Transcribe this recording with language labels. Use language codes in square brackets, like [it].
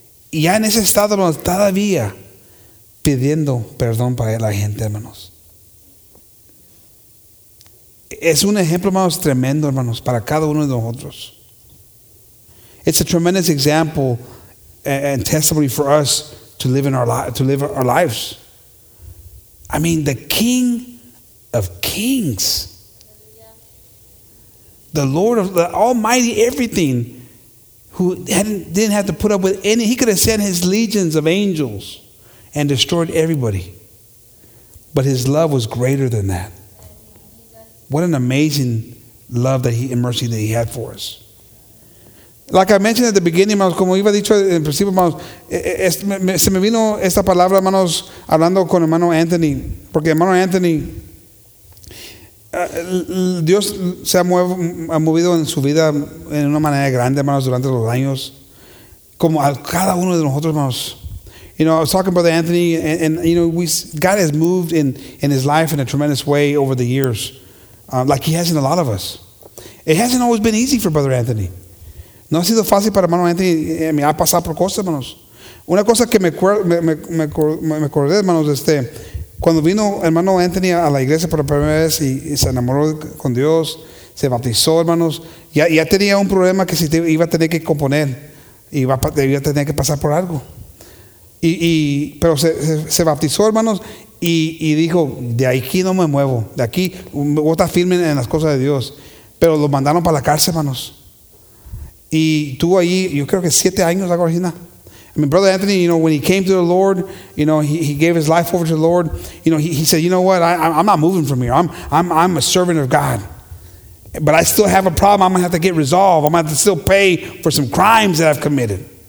[es] Ya en ese estado, hermano, todavía pidiendo perdón para la gente, hermanos. Es un ejemplo, hermanos, tremendo, hermanos, para cada uno de nosotros. [en] It's a tremendous example and testimony for us to live our lives. I mean, the King of Kings, the Lord of the Almighty, everything, who didn't have to put up with any, he could have sent his legions of angels and destroyed everybody. But his love was greater than that. What an amazing love that he and mercy that he had for us. Like I mentioned at the beginning, [es] hermanos, como iba dicho en principio, hermanos, se me vino esta palabra, hermanos, hablando con hermano Anthony, porque hermano Anthony, Dios se ha movido en su vida en una manera grande, hermanos, durante los años, como a cada uno de nosotros, hermanos. [en] You know, I was talking to Brother Anthony, and you know, God has moved in his life in a tremendous way over the years. Like he has in a lot of us. It hasn't always been easy for Brother Anthony. [es] No ha sido fácil para hermano Anthony. Me ha pasado por cosas, hermanos. Una cosa que me acordé, hermanos, cuando vino hermano Anthony a la iglesia por la primera vez y se enamoró con Dios, se bautizó, hermanos, ya tenía un problema que iba a tener que componer y iba a tener que pasar por algo. Pero se bautizó, hermanos, y dijo, de aquí no me muevo, de aquí voy a estar firme en las cosas de Dios. Pero lo mandaron para la cárcel, hermanos. Y tuvo ahí, yo creo que 7 años, algo así. [en] I mean, Brother Anthony, you know, when he came to the Lord, you know, he gave his life over to the Lord. You know, he said, you know what, I'm not moving from here. I'm a servant of God. But I still have a problem. I'm going to have to get resolved. I'm going to have to still pay for some crimes that I've committed.